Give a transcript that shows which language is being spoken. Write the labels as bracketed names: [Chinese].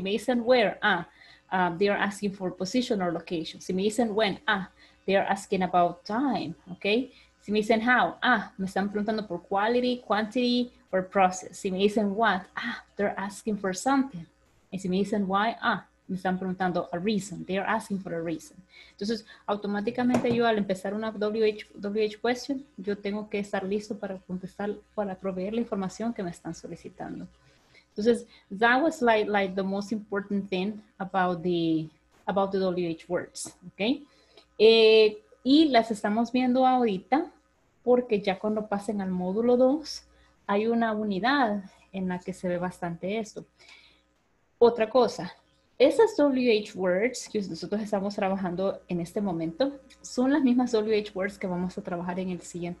[Spanish] Si me dicen [English] where, they are asking for position or location. [Spanish] Si me dicen [English] when, they are asking about time. Okay, [Spanish] si me dicen [English] how, [Spanish] me están preguntando por [English] quality, quantity, or process. [Spanish] Si me dicen [English] what, they're asking for something. [Spanish] Y si me dicen [English] why, [Spanish] me están preguntando [English] a reason. They are asking for a reason. [Spanish] Entonces, automáticamente yo al empezar una WH question, yo tengo que estar listo para contestar, para proveer la información que me están solicitando. [English] Entonces, that was like the most important thing about the WH words, okay? [Spanish] Y las estamos viendo ahorita porque ya cuando pasen al módulo 2, hay una unidad en la que se ve bastante esto. Otra cosa, esas WH words que nosotros estamos trabajando en este momento son las mismas WH words que vamos a trabajar en el siguiente.